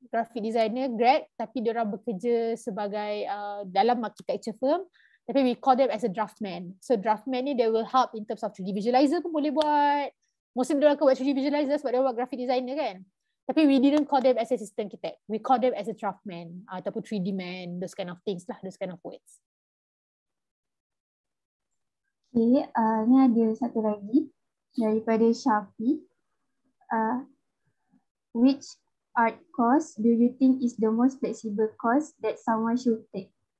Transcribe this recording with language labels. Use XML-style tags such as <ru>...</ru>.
<en>Graphic designer grad,</en> <ms>tapi diorang bekerja sebagai dalam</ms> <en>architecture firm,</en> <ms>tapi</ms> <en>we call them as a draftman. So draftman</en> <ms>ni</ms> <en>they will help in terms of 3D visualizer</en> <ms>pun boleh buat. Mostly diorang akan buat</ms> <en>3D visualizer</en> <ms>sebab diorang buat</ms> <en>graphic designer</en> <ms>kan. Tapi</ms> <en>we didn't call them as assistant architect. We call them as a draftman</en> <ms>ataupun</ms> <en>3D man, those kind of things</en> <ms>lah,</ms> <en>those kind of words.</en> <ms>Okay, ni ada satu lagi daripada Shafi.</ms> <en>Which art course do you think is the most flexible course that someone should take?</en>